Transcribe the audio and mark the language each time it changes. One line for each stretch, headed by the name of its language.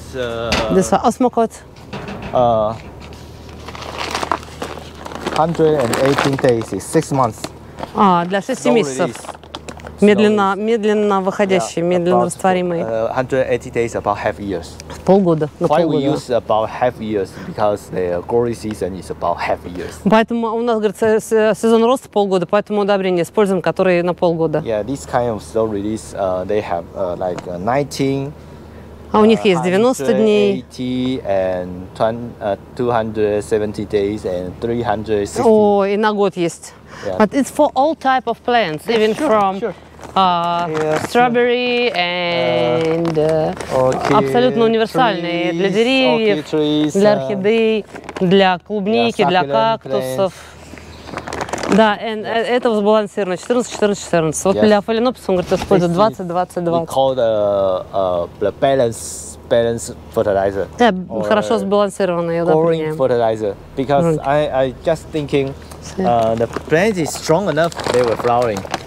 English: This one, осмокот. 118 days, 6 months.
Russian: А, для 6 месяцев. Медленно, медленно выходящий, yeah, медленно растворимый.
English: 180 days, about half years.
Russian: Полгода.
English: Why
Russian: полгода.
English: We use about half years? Because the growing season is about half years.
Russian: Поэтому у нас, говорится, сезон роста полгода, поэтому удобрения используем, которые на полгода.
English: Yeah, this kind of slow release, they have like 19.
Russian: А у них есть 90 дней.
English: 180 and 270 days and 360.
Russian: О, и на год есть.
English: Yeah. But it's for all type of plants, even sure, from sure. Strawberry and okay,
Russian: абсолютно универсальные
English: trees,
Russian: для деревьев,
English: okay, trees,
Russian: для орхидей, для клубники,
English: yeah,
Russian: для кактусов.
English: Plants.
Russian: Да, yes. Это сбалансировано 14-14-14. Вот yes. Для фаленопсиса он говорит, использует 20-20-20.
English: We call the balance fertilizer.
Russian: Да, yeah, хорошо сбалансированный.
English: Boring fertilizer. Because I just thinking the plant is strong enough, they were flowering.